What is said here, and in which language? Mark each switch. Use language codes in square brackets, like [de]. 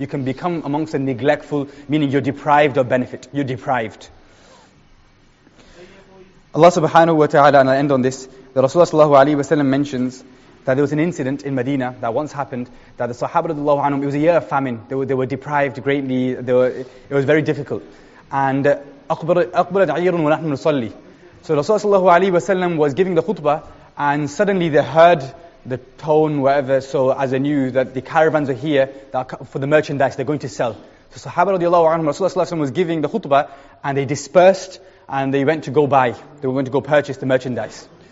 [en] You can become amongst the neglectful, meaning you're deprived of benefit, you're deprived. Allah subhanahu wa ta'ala, and I'll end on this, the Rasulullah sallallahu alayhi wa sallam mentions that there was an incident in Medina that once happened, that the Sahaba radiallahu anhum, it was a year of famine, they were deprived greatly, it was very difficult. [ar] And أَقْبَلَتْ عَيْرٌ وَنَحْنُ نُصَلِّي. [en] So Rasulullah sallallahu alayhi wa sallam was giving the khutbah, and suddenly they heard the tone, whatever, so as they knew that the caravans are here, that for the merchandise, they're going to sell. So Sahaba radiallahu anhum, Rasulullah sallallahu alayhi wa sallam was giving the khutbah, and they dispersed, and they went to go buy, they were going to go purchase the merchandise.